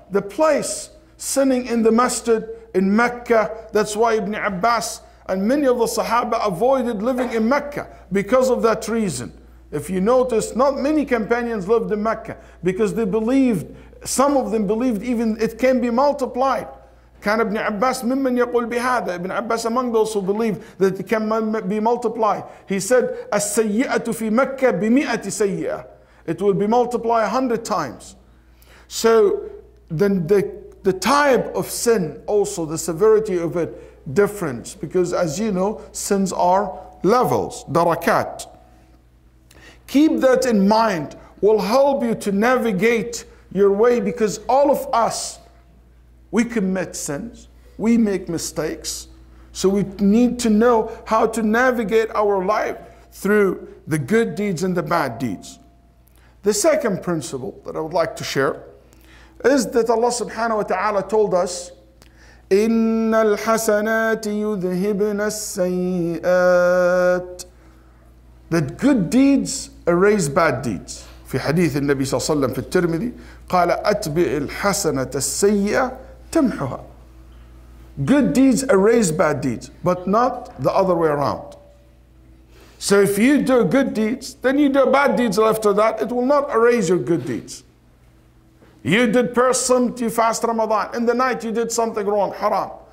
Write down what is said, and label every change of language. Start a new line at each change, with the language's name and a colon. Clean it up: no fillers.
English: The place, sinning in the masjid, in Mecca, that's why Ibn Abbas and many of the Sahaba avoided living in Mecca because of that reason. If you notice, not many companions lived in Mecca because they believed, some of them believed even it can be multiplied.
Arabic: كان ابن عباس ممن يقول بهذا.
English: Ibn Abbas among those who believe that it can be multiplied. He said,
Arabic: السيئة في مكة بمئة سيئة.
English: It will be multiplied 100 times. So then the type of sin also, the severity of it, difference. Because as you know, sins are levels, darakat. Keep that in mind, will help you to navigate your way, because all of us, we commit sins, we make mistakes. So we need to know how to navigate our life through the good deeds and the bad deeds. The second principle that I would like to share is that Allah subhanahu wa ta'ala told us,
Arabic: إِنَّ الْحَسَنَاتِ يُذْهِبْنَ السَّيِّئَاتِ.
English: That good deeds erase bad deeds.
Arabic: في حديث النبي صلى الله عليه وسلم في الترمذي قال أتبع الحسنة السيئة تمحها.
English: Good deeds erase bad deeds, but not the other way around. So if you do good deeds, then you do bad deeds after that, it will not erase your good deeds. You did first some, you fast Ramadan. In the night you did something wrong, haram.